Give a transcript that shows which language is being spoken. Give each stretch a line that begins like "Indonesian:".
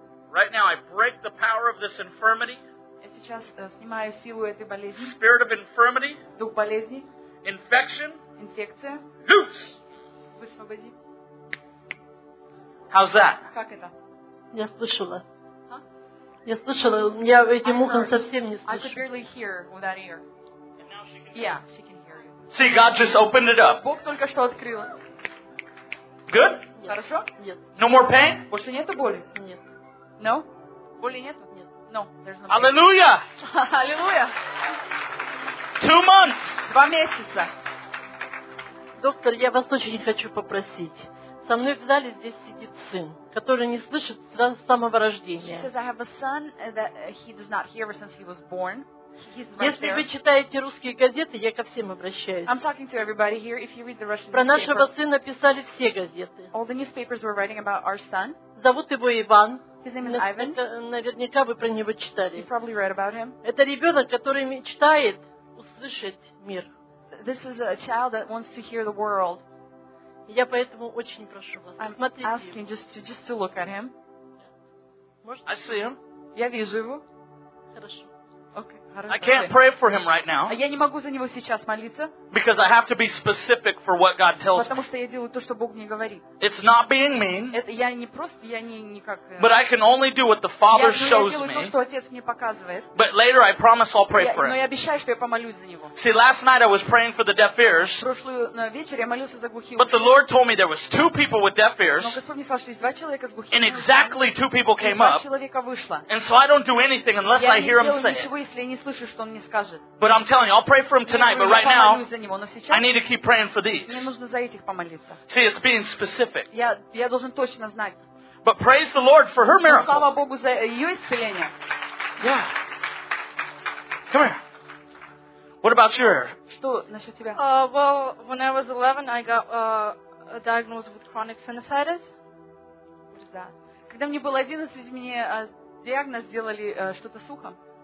English: Right now, I break the power of this infirmity.
Russian: Я сейчас снимаю силу этой болезни.
English: Spirit of infirmity.
Russian: Дух болезни.
English: Infection.
Russian: Инфекция.
English: Loose.
Russian: Высвободи.
English: How's that?
Russian: Как это? Я слышала. Я слышала, я этим ухом совсем не слышу.
English: I could barely hear with that ear. And now she can. Yeah, she can hear you. See, God just opened it up.
Russian: Бог только что открыл.
English: Good?
Russian: Хорошо? Нет.
English: No more pain?
Russian: Больше нету боли? Нет. No? Боли нету? Нет.
English: No, there's no pain. Hallelujah! Hallelujah! 2 months.
Russian: 2 месяца. Доктор, я вас очень хочу попросить. Со мной в зале здесь сидит сын, который не слышит с самого рождения.
English: She says, I have a son that he does not hear ever since he was born.
Russian: Если вы читаете русские газеты, я ко всем обращаюсь.
English: I'm talking to everybody here. If you read the Russian newspaper.
Russian: Про нашего сына писали все газеты.
English: All the newspapers were writing about our son.
Russian: Зовут его Иван.
English: His name is Ivan.
Russian: Наверняка вы про него читали.
English: You probably read about him.
Russian: Это ребенок, который мечтает услышать мир.
English: This is a child that wants to hear the world.
Russian: Я поэтому очень прошу вас.
English: I'm asking just to look at him. I see him.
Russian: Я вижу его. Хорошо.
English: I can't pray for him right now.
Russian: Я не могу за него сейчас молиться.
English: Because I have to be specific for what God tells me.
Russian: Потому что я делаю то, что Бог мне говорит.
English: It's not being mean.
Russian: Это я не просто, я не никак.
English: But I can only do what the Father shows me.
Russian: Я делаю то, что Отец мне показывает.
English: But later I promise I'll pray for him.
Russian: Но я обещаю, что я помолюсь за него.
English: See, last night I was praying for the deaf ears.
Russian: Прошлую вечер я молился за глухие уши.
English: But the Lord told me there was 2 people with deaf ears.
Russian: Но Господь мне сказал, что есть 2 человека с глухими ушами.
English: And exactly 2 people came up.
Russian: 2 человека вышло.
English: And so I don't do anything unless I hear him say. But I'm telling you, I'll pray for him tonight, but right now, I need to keep praying for these. See, it's being specific. But praise the Lord for her miracle.
Russian: Слава Богу за ее исцеление.
English: Yeah. Come here. What about your ear?
Russian: Что насчет тебя?
English: Well, when I was 11, I got diagnosed with chronic sinusitis. What is that?
Russian: Когда мне было 11, мне диагноз сделали что-то с ухом.